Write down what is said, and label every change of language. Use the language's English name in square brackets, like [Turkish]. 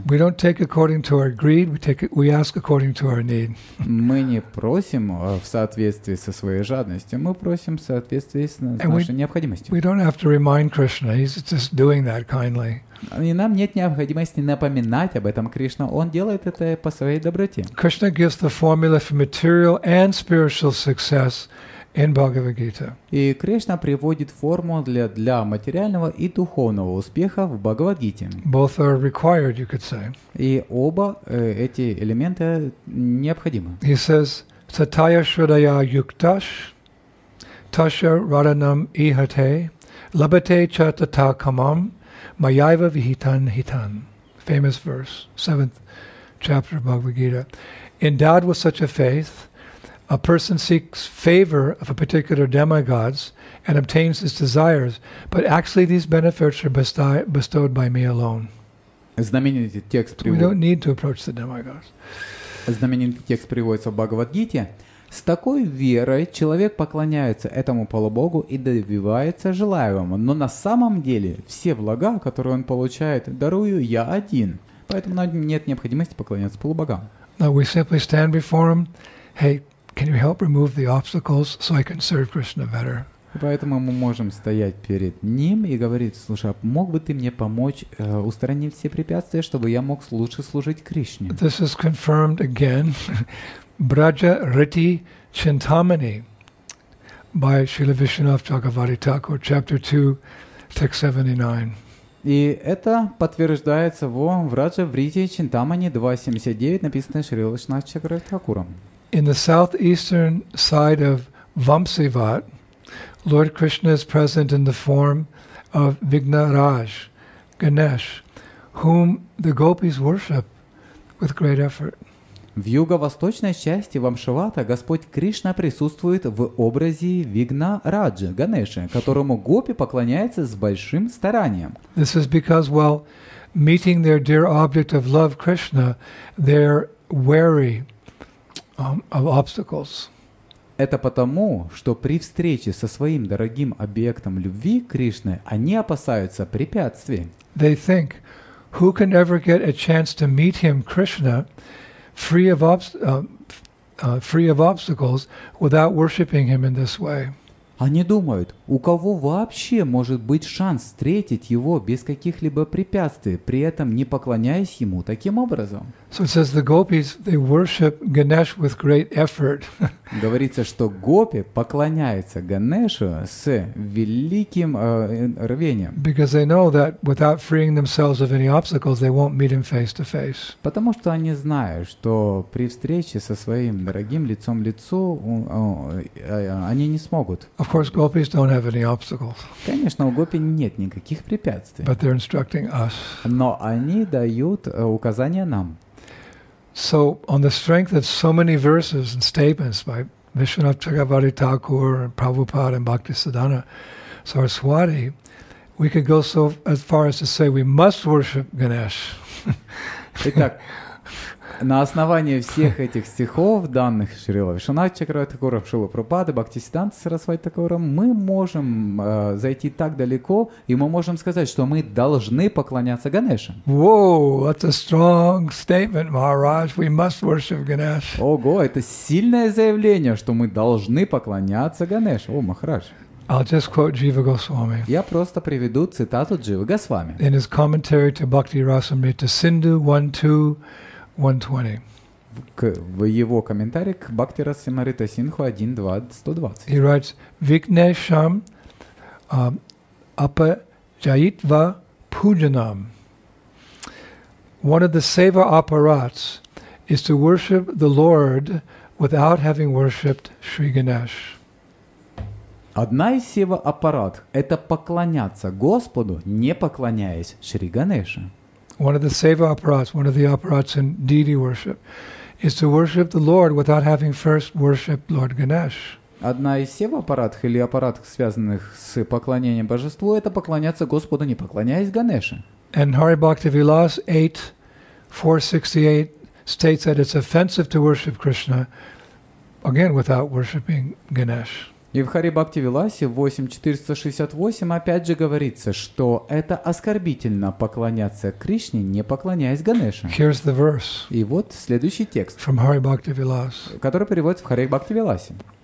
[English] We don't take according to our greed, we ask according to our need. [Russian] Мы не просим в соответствии со своей жадностью, мы просим в соответствии с нашей необходимостью. [English] We don't have to remind Krishna, he's just doing that kindly. [Russian] И нам нет необходимости напоминать об этом Кришна, он делает это по своей доброте. [English] Krishna gives the formula for material and spiritual success. In Bhagavad Gita. [Russian] И Кришна приводит форму для материального и духовного успеха в Бхагавад Гите. [English] Both are required, you could say. [Russian] И оба эти элемента необходимы. [English] He says, [Sanskrit] Satya Shraddhaya Yuktash, Tasya Radhanam Ihate, Labhate Cha Tatha Kamam, Mayaiva Vihitan Hitan. [English] Famous verse, 7th chapter of Bhagavad Gita. Endowed with such a faith, a person seeks favor of a particular demigods and obtains his desires, but actually these benefits are bestowed by me alone. [Russian] Знаменитый текст приводится. [English] We don't need to approach the demigods. [Russian] Знаменитый текст приводится в Бхагавад-гите. С такой верой человек поклоняется этому полубогу и добивается желаемого, но на самом деле все блага, которые он получает, дарую я один. Поэтому нам нет необходимости поклоняться полубогам. [English] Now we simply stand before him. Hey, can you help remove the obstacles so I can serve Krishna better? [Russian] Поэтому мы можем стоять перед ним и говорить: слушай, мог бы ты мне помочь устранить все препятствия, чтобы я мог лучше служить Кришне? [English] This is confirmed again, Braja Riti Chintamani, by Srila Vishnu Chakravarti Thakur, chapter 2, text 79. [Russian] И это подтверждается во Враджа Врити Чинтамани 2.79, написанное Шри Вишнава Чакравати Такуром. [English] In the southeastern side of Vamsivat, Lord Krishna is present in the form of Vignaraj, Ganesh, whom the gopis worship with great effort. [Russian] В юго-восточной части Вамшивата Господь Кришна присутствует в образе Вигнараджа, Ганеши, которому гопи поклоняются с большим старанием. [English] This is because while meeting their dear object of love, Krishna, they're wary of obstacles. [Russian] Это потому, что при встрече со своим дорогим объектом любви Кришны они опасаются препятствий. [English] They think, who can ever get a chance to meet him, Krishna, free of obstacles, without worshiping him in this way? [Russian] Они думают, у кого вообще может быть шанс встретить его без каких-либо препятствий, при этом не поклоняясь ему таким образом? [English] So it says the gopis, they worship Ganesh with great effort. [Russian] Говорится, что гопи поклоняются Ганешу с великим рвением. [English] Because they know that without freeing themselves of any obstacles, they won't meet him face to face. [Russian] Потому что они знают, что при встрече со своим дорогим лицом лицу они не смогут. [English] Of course, gopis don't have any obstacles. [Russian] Конечно, у гопи нет никаких препятствий. [English] But they're instructing us. [Russian] Но они дают указания нам. [English] So on the strength of so many verses and statements by Vishwanath Chakravarti Thakur and Prabhupada and Bhaktisiddhanta Saraswati, we could go so as far as to say we must worship Ganesh. [Russian] Итак, на основании всех этих стихов, данных Шрилы Вишванатха Чакравартикура, Шрилы Прабхупады, Бхактисиддханты Сарасвати Такура, мы можем зайти так далеко, и мы можем сказать, что мы должны поклоняться Ганеше. [English] Whoa, that's a strong statement, Maharaj. We must worship Ganesh. [Russian] Ого, это сильное заявление, что мы должны поклоняться Ганеше. О, Махарадж. [English] I'll just quote Jiva Goswami. [Russian] Я просто приведу цитату Дживы Госвами. [English] In his commentary to Bhakti Rasamrita Sindhu 1.2.120. [Russian] В его комментарии к Бхакти Расамрита Синдху 1.2.120. [English] He writes, [Sanskrit] Vigneshaṁ apajayitva pujanam. [English] One of the seva aparats is to worship the Lord without having worshipped Sri Ganesh. [Russian] Одна из сева аппарат – это поклоняться Господу, не поклоняясь Шри Ганеше. [English] One of the seva apparats, one of the apparats in deity worship, is to worship the Lord without having first worshipped Lord Ganesh. [Russian] Одна из сева аппарат или аппарат, связанных с поклонением Божеству, это поклоняться Господу, не поклоняясь Ганеше. [English] And Hari Bhakti Vilas 8.468 states that it's offensive to worship Krishna, again, without worshipping Ganesh. [Russian] И в Хари Бхакти Виласе 8.468 опять же говорится, что это оскорбительно поклоняться Кришне, не поклоняясь Ганеше. [English] Here's the verse. [Russian] И вот следующий текст, [English] from Hari Bhakti Vilas, [Russian] который переводится в Хари Бхакти Виласе.